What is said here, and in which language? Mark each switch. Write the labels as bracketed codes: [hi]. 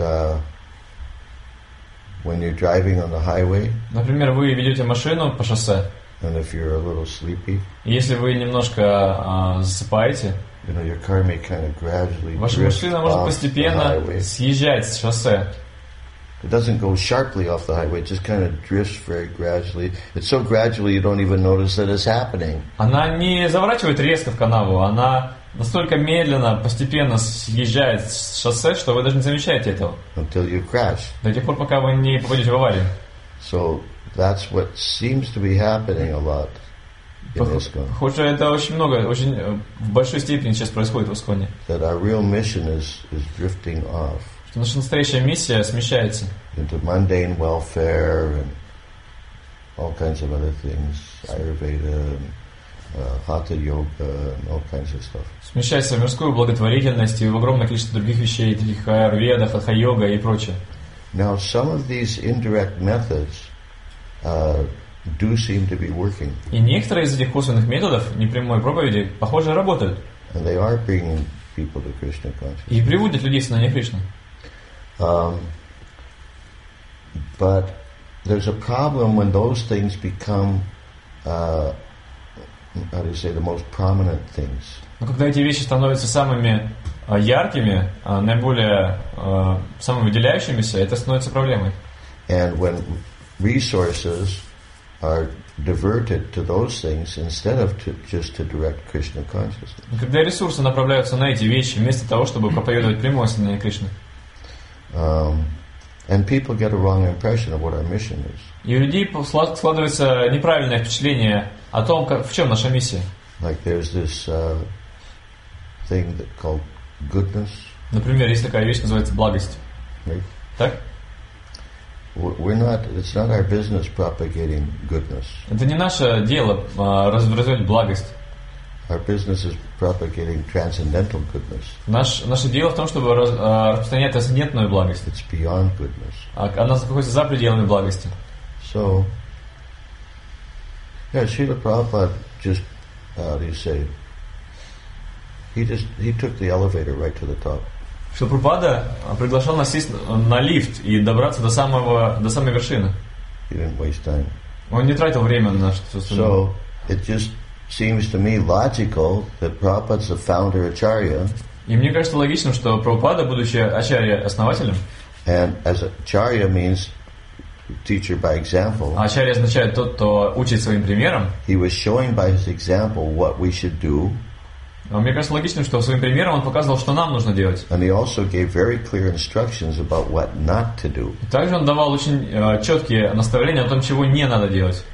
[en] It's like when you're driving on the highway. [ru] Например, вы ведете машину по шоссе. [en] And if you're a little sleepy. [ru] Если вы немножко засыпаете. [en] You know, your car may kind of gradually [ru] ваша [en] drift [ru] машина может постепенно съезжать с шоссе. [en] It doesn't go sharply off the highway, it just kind of drifts very gradually. It's so gradually you don't even notice that it's happening. [ru] Она не заворачивает резко в канаву, она настолько медленно, постепенно съезжает с шоссе, что вы даже не замечаете этого. [en] Until you crash. [ru] До тех пор, пока вы не попадете в аварию. [en] So that's what seems to be happening a lot in ISKCON. [ru] Похоже, это очень много, очень в большой степени сейчас происходит в ИСККОНе. [en] That our real mission is drifting off. [ru] Что наша настоящая миссия смещается. [en] Into mundane welfare and all kinds of other things. Ayurveda, hatha yoga, all kinds of stuff. [ru] Смещается в мирскую благотворительность и в огромное количество других вещей, таких как Аюрведа, хатха йога и прочее. [en] Now some of these indirect methods do seem to be working. [ru] И некоторые из этих косвенных методов непрямой проповеди, похоже, работают. [en] And they are bringing people to Krishna consciousness. [ru] И приводят людей к сознанию Кришны. [en] But there's a problem when those things become, how do you say, the most prominent things. [ru] Но когда эти вещи становятся самыми яркими, наиболее самыми выделяющимися, это становится проблемой. [en] And when resources are diverted to those things instead of just to direct Krishna consciousness. [ru] Когда ресурсы направляются на эти вещи вместо того, чтобы проповедовать прямое сознание Кришны. [en] And people get a wrong impression of what our mission is. [ru] И у людей складывается неправильное впечатление о том, в чем наша миссия. [en] Like there's this thing that called goodness. [ru] Например, есть такая вещь, называется благость. [en] Right? [ru] Так? [en] We're not. It's not our business propagating goodness. [ru] Это не наше дело развивать благость. [en] Our business is propagating transcendental goodness. [ru] Наше дело в том, чтобы распространять трансцендентную благость. [en] It's beyond goodness. [ru] Она находится за пределами благости. [en] So, yeah, Srila Prabhupada just, how do you say, He took the elevator right to the top. [ru] Что Прабхупада приглашал нас сесть на лифт и добраться до самого до самой вершины. [en] He didn't waste time. [ru] Он не тратил время на что-то. [en] So it just seems to me logical that Prabhupada's the founder acharya. [ru] И мне кажется логичным, что Прабхупада, будучи ачарья основателем. [en] And as acharya means teacher by example. [ru] Ачарья означает тот, кто учит своим примером. [en] He was showing by his example what we should do. [ru] Мне кажется логичным, что своим примером он показывал, что нам нужно делать. Также он давал очень четкие наставления о том, чего не надо делать.